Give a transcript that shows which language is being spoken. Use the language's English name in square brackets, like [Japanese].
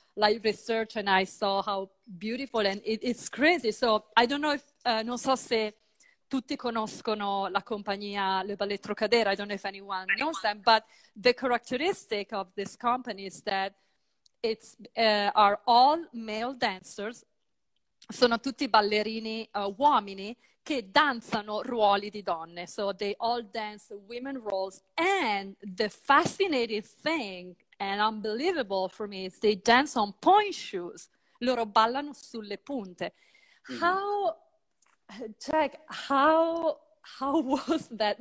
[English] Like research, and I saw how beautiful, and it's crazy. So I don't know if [Italian] non so se tutti conoscono la compagnia Les Ballets Trockadero. [English] I don't know if anyone knows them, but the characteristic of this company is that it's are all male dancers. [Italian] Sono tutti ballerini uomini che danzano ruoli di donne. [English] So they all dance women roles, and the fascinating thing. And unbelievable for me is they dance on point shoes. [Italian] Loro ballano sulle punte. [English] Mm-hmm. How, Jack, how was that?